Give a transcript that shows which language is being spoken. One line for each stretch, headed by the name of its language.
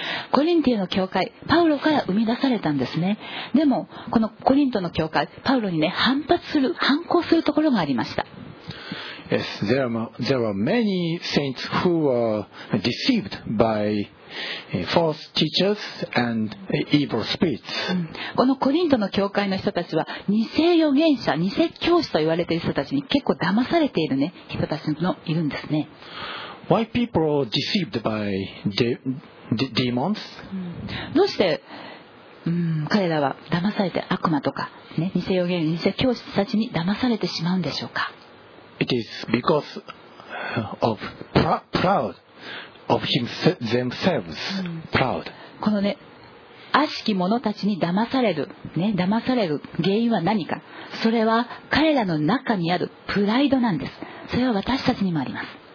Japanese: コリントの教会、パウロから生み出されたんですね。でもこのコリントの教会、パウロにね反発する反抗するところがありました。
English: Yes, there are many saints who were deceived by false teachers and evil spirits.
Japanese: このコリントの教会の人たちは偽予言者、偽教師と言われている人たちに結構騙されているね人たちもいるんですね。
English: Why people are deceived by demons?
Japanese: どうして彼らは騙されて悪魔とか、ね、偽予言、偽教師たちに騙されてしまうんでしょうか。
English: It is because of proud of themselves, proud.
Japanese: このね、悪しき者たちに騙される、ね、騙される原因は何か。それは彼らの中にあるプライドなんです。それは私たちにもあります。